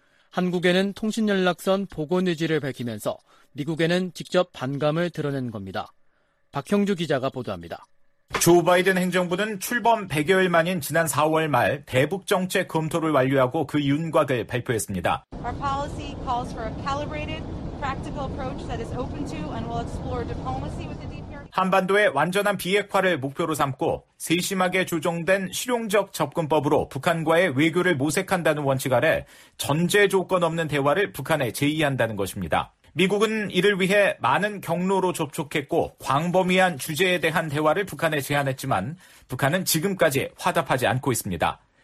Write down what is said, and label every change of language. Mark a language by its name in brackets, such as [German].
[Korean] 한국에는 통신연락선 복원 의지를 밝히면서 미국에는 직접 반감을 드러낸 겁니다. 박형주 기자가 보도합니다. 조 바이든 행정부는 출범 100여일 만인 지난 4월 말 대북 정책 검토를 완료하고 그 윤곽을 발표했습니다. [English] Our policy calls for a calibrated, practical approach that is open to and will explore diplomacy with the DPRK. [Korean] 한반도의 완전한 비핵화를 목표로 삼고 세심하게 조정된 실용적 접근법으로 북한과의 외교를 모색한다는 원칙 아래 전제 조건 없는 대화를 북한에 제의한다는 것입니다. 미국은 이를 위해 많은 경로로 접촉했고 광범위한 주제에 대한 대화를 북한에 제안했지만 북한은 지금까지 화답하지 않고 있습니다.